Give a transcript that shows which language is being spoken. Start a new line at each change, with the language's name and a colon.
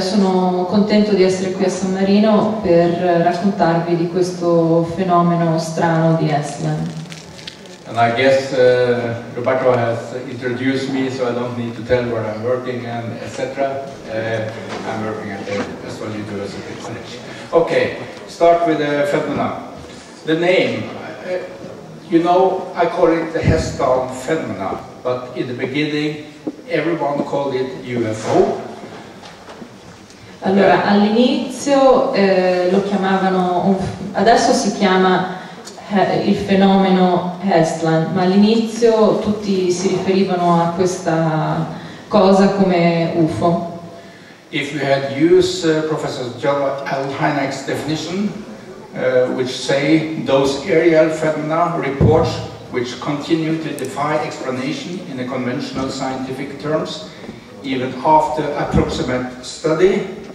Italian: Sono contento di essere qui a San Marino per raccontarvi di questo fenomeno strano di Estland.
English: And I guess Roberto has introduced me, so I don't need to tell where I'm working and etc. I'm working at the Estland University College. Okay, start with Fedmanland. The name, you know, I call it the Hestdal Fedmanland, but in the beginning everyone called it UFO.
Italian: Allora, all'inizio lo chiamavano, adesso si chiama il fenomeno Hestland, ma all'inizio tutti si riferivano a questa cosa come UFO.
English: If we had used Professor John Alhainek's definition, which say those aerial phenomena reports which continue to defy explanation in the conventional scientific terms, even after approximate study,